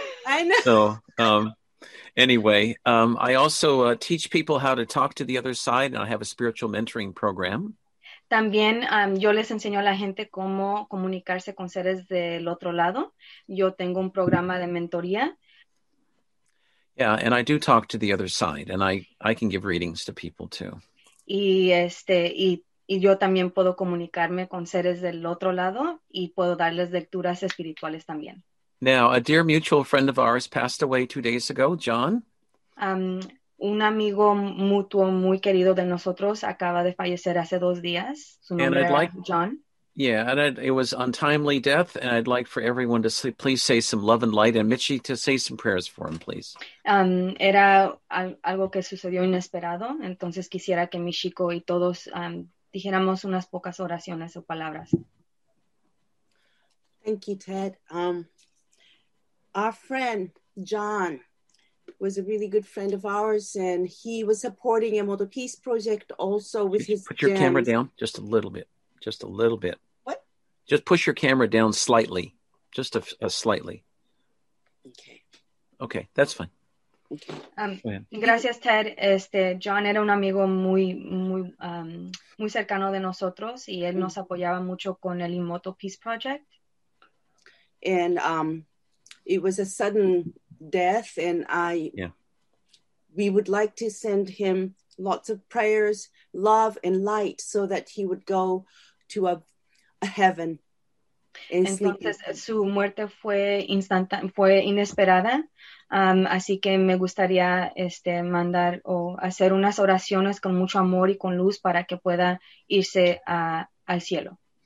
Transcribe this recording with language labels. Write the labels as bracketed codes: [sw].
[en] I know. So I also teach people how to talk to the other side, and I have a spiritual mentoring program. [es] También yo les enseño a la gente cómo comunicarse con seres del otro lado. Yo tengo un programa de mentoría. [en] Yeah, and I do talk to the other side, and I can give readings to people too. [es] Y y yo también puedo comunicarme con seres del otro lado y puedo darles lecturas espirituales también. [en] Now, a dear mutual friend of ours passed away 2 days ago, John. [es] Un amigo mutuo muy querido de nosotros acaba de fallecer hace 2 días. Su nombre era John. [en] Yeah, and it was untimely death, and I'd like for everyone to please say some love and light, and Michi to say some prayers for him, please. [es] Era algo que sucedió inesperado, entonces quisiera que Michiko y todos dijéramos unas pocas oraciones o palabras. [en] Thank you, Ted. Our friend, John, was a really good friend of ours, and he was supporting a Modo Peace project also with his put your gems. Camera down just a little bit. Just a little bit. What? Just push your camera down slightly. Just a slightly. Okay, that's fine. [es] Gracias, Ted. John era un amigo muy cercano de nosotros, y él nos apoyaba mucho con el Imoto Peace Project. [en] And it was a sudden death, and we would like to send him lots of prayers, love, and light so that he would go to a heaven. [es] Entonces, su muerte fue fue inesperada, así que me gustaría mandar o hacer unas oraciones con mucho amor y con luz para que pueda irse al cielo.